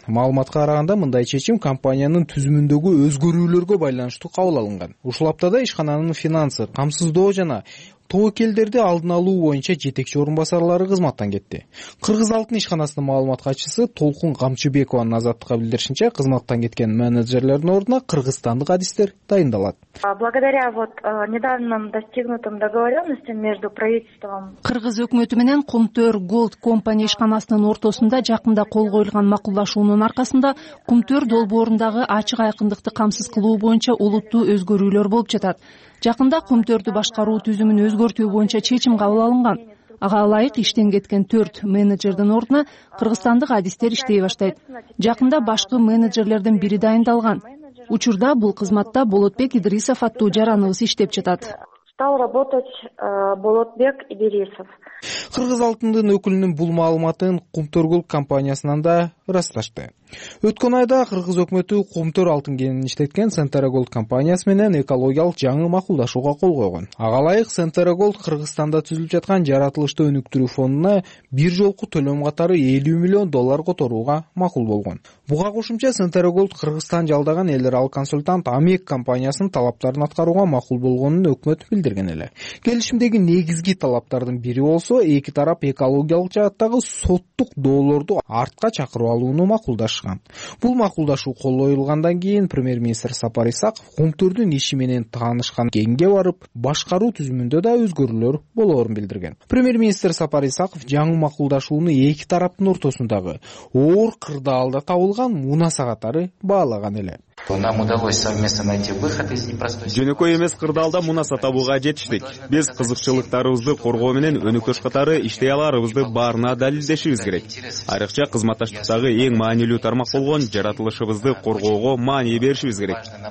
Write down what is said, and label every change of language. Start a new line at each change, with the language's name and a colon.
Kyrgyz: Маалыматка караганда мындай чечим компаниянын түзүмүндөгү өзгөрүүлөргө байланыштуу кабыл алынган. Ушул аптада ишкананын финансы, камсыздоо жана тоокелдерди алдын алуу боюнча жетекчи орун басарлары кызматтан кетти. Кыргыз алтын ишканасынын маалыматкачысы Толкун Камчыбекованын Азаттыкка билдиришинче, кызматтан кеткен менеджерлердин ордуна кыргызстандык адистер дайындалат.
Russian: Благодаря вот недавно достигнутым договоренностям между правительством.
Kyrgyz: Кыргыз өкмөтү менен Кумтор Голд компания ишканасынын ортосунда жакында кол коюлган макулдашуунун аркасында Кумтор долбоорундагы ачык айкындыкты камсыз кылуу боюнча олуттуу өзгөрүүлөр болуп жатат. Жакында Кумтордо башкаруу түзүмүн өзгөртүү боюнча чечим кабыл алынган. Ага ылайык иштен кеткен 4 менеджердин ордуна кыргызстандык адистер иштей баштайт. Жакында башкы менеджерлердин бири дайындалган. Учурда бул кызматта Болотбек Идрисов аттуу жараныбыз иштеп жатат.
Russian: Стал работать Болотбек Идрисов.
Kyrgyz: Кыргыз алтындын өкүлүнүн бул маалыматын Кумтор Голд компаниясынан да ырасташты. Өткөн айда кыргыз өкмөтү Кумтор алтын кенин иштеткен Сентера Голд компаниясы менен экологиялык жаңы макулдашууга кол койгон. Ага ылайык Сентера Голд Кыргызстанда түзүлүп жаткан жаратылышты өнүктүрүү фондуна бир жолку төлөм катары 50 миллион доллар которууга макул болгон. Буга кошумча Сентера Голд Кыргызстан жалдаган эл аралык консультант АМЕК компаниясынын талаптарын аткарууга макул болгонун өкмөт билдирген эле. Келишимдеги негизги талаптардын бири болсо, эки тарап экологиялык жааттагы соттук доолорду артка чакырып алды. алууну макулдашкан. Бул макулдашуу кол коюлгандан кийин премьер-министр Сапар Исаков Кумтөрдүн иши менен таанышкан кеңге барып, башкаруу түзүмүндө да өзгөрүүлөр болорун билдирген. Премьер-министр Сапар Исаков жаңы макулдашууну эки тараптын ортосундагы оор кырдаалда табылган мунаса катары баалаган эле.
Russian: Нам удалось совместно найти выход из непростой ситуации.
Kyrgyz: Жөнөкөй эмес кырдаалда мунаса табууга жетиштик. Биз кызыкчылыктарыбызды коргоо менен өнүктөш катары иштей аларыбызды баарына далилдешибиз керек. Айрыкча кызматташтыктагы эң маанилүү тармак болгон жаратылышыбызды коргоого маани беришибиз керек.